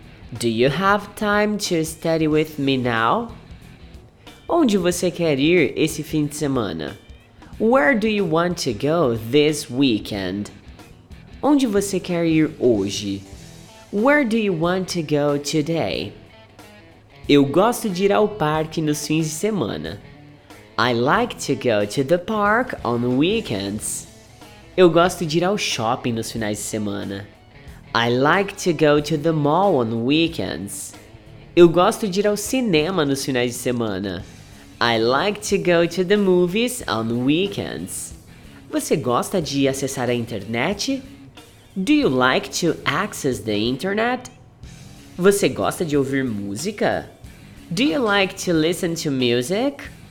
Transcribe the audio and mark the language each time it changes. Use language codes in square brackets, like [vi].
[en] Do you have time to study with me now? [pt] Onde você quer ir esse fim de semana? [en] Where do you want to go this weekend? [pt] Onde você quer ir hoje? [en] Where do you want to go today? [pt] Eu gosto de ir ao parque nos fins de semana. [en] I like to go to the park on weekends. [pt] Eu gosto de ir ao shopping nos finais de semana. [en] I like to go to the mall on weekends. [pt] Eu gosto de ir ao cinema nos finais de semana. [en] I like to go to the movies on weekends. [pt] Você gosta de acessar a internet? [en] Do you like to access the internet? [pt] Você gosta de ouvir música? [en] Do you like to listen to music?